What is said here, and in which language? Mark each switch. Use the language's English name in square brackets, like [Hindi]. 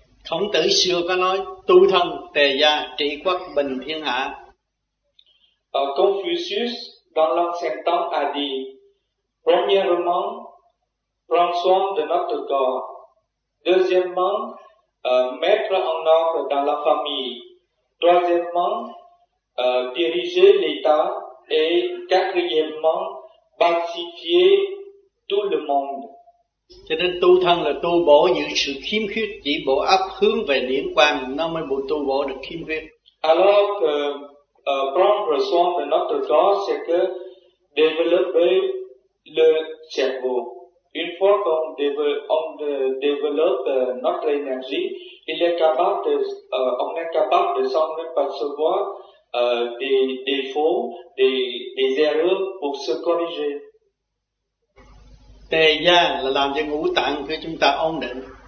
[Vietnamese] Khổng Tử xưa có nói tu thân tề gia trị quốc bình thiên hạ. [French] Confucius dans l'ancien temps a dit: premièrement, prends soin de notre corps. Deuxièmement, mettre en ordre dans la famille. Troisièmement, diriger l'État et quatrièmement pacifier tout le monde. [Vietnamese] Cho nên tu thân là tu bổ những sự khiếm khuyết, chỉ bổ ấp hướng về điển quang, nó mới bổ tu bổ được khiếm khuyết. [French] Alors que prendre soin de notre corps, c'est que développer le cerveau. Une fois qu'on développe notre énergie, il est capable de, on est capable de s'en percevoir des défauts, des erreurs pour se corriger. [Vietnamese] Tề gia là làm cho ngũ tạng của chúng ta ổn định.